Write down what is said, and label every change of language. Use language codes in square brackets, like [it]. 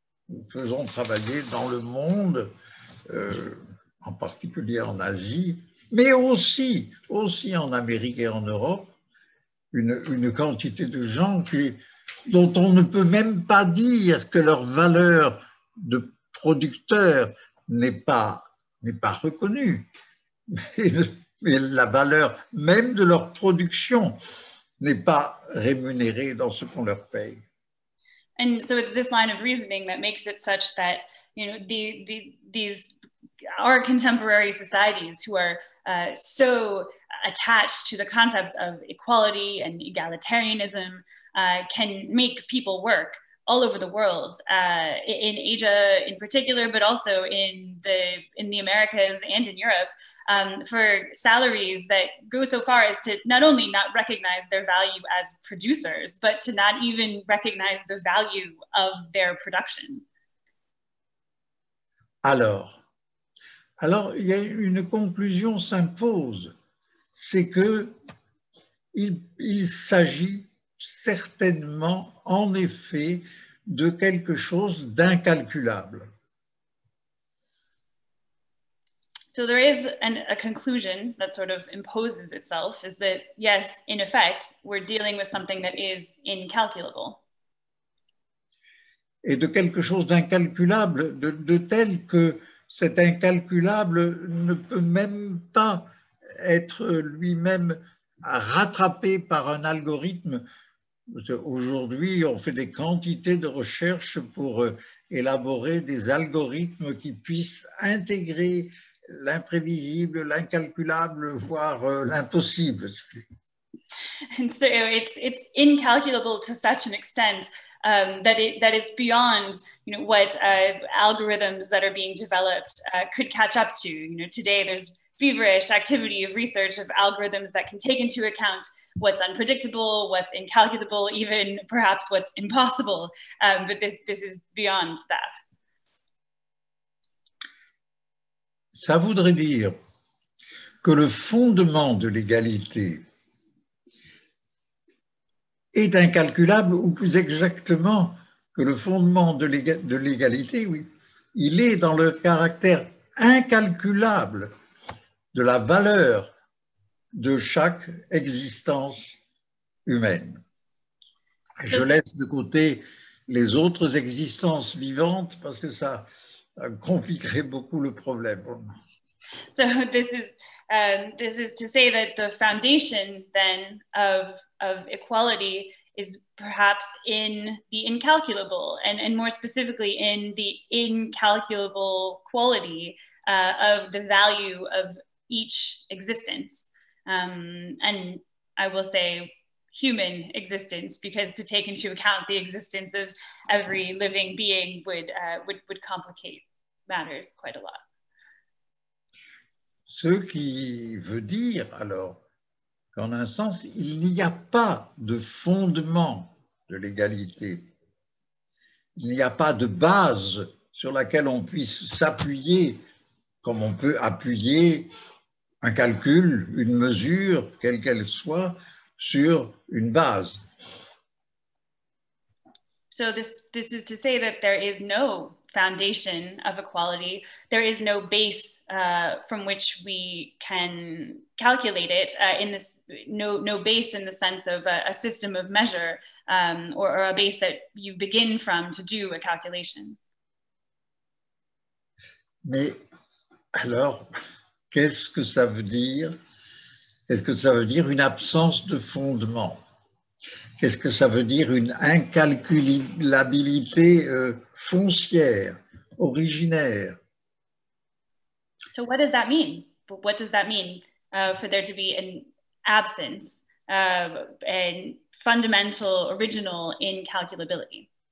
[fr] Nous faisons travailler dans le monde, en particulier en Asie, mais aussi en Amérique et en Europe, une quantité de gens dont on ne peut même pas dire que leur valeur de producteur n'est pas reconnue, mais la valeur même de leur production n'est pas rémunérée dans ce qu'on leur paye. [en] And so it's this line of reasoning that makes it such that, you know, our contemporary societies who are so attached to the concepts of equality and egalitarianism can make people work all over the world, in Asia in particular, but also in the Americas and in Europe, for salaries that go so far as to not only not recognize their value as producers, but to not even recognize the value of their production. [fr] Alors, il y a une conclusion s'impose, c'est que il s'agit certainement, en effet, de quelque chose d'incalculable. [en] So there is a conclusion that sort of imposes itself, is that yes, in effect, we're dealing with something that is incalculable. [fr] Et de quelque chose d'incalculable, de tel que cet incalculable ne peut même pas être lui-même rattrapé par un algorithme. Aujourd'hui, on fait des quantités de recherches pour élaborer des algorithmes qui puissent intégrer l'imprévisible, l'incalculable, voire l'impossible. [en] And so it's incalculable to such an extent that it's beyond, you know, what algorithms that are being developed could catch up to. You know, today there's feverish activity of research of algorithms that can take into account what's unpredictable, what's incalculable, even perhaps what's impossible. But this is beyond that. [fr] Ça voudrait dire que le fondement de l'égalité est incalculable, ou plus exactement, que le fondement de l'égalité, oui, il est dans le caractère incalculable de la valeur de chaque existence humaine. Je laisse de côté les autres existences vivantes parce que ça compliquerait beaucoup le problème. [en] So this is to say that the foundation then of equality is perhaps in the incalculable, and more specifically in the incalculable quality of the value of each existence, and I will say human existence, because to take into account the existence of every living being would complicate matters quite a lot. [fr] Ce qui veut dire alors qu'en un sens, il n'y a pas de fondement de l'égalité. Il n'y a pas de base sur laquelle on puisse s'appuyer comme on peut appuyer un calcul, une mesure, quelle qu'elle soit, sur une base. [en] So this is to say that there is no foundation of equality. There is no base from which we can calculate it. No base in the sense of a system of measure or a base that you begin from to do a calculation. [fr] Mais alors, qu'est-ce que ça veut dire? Qu'est-ce que ça veut dire une absence de fondement? Qu'est-ce que ça veut dire une incalculabilité foncière, originaire? [en] So what does that mean? What does that mean for there to be an absence and fundamental, original incalculability?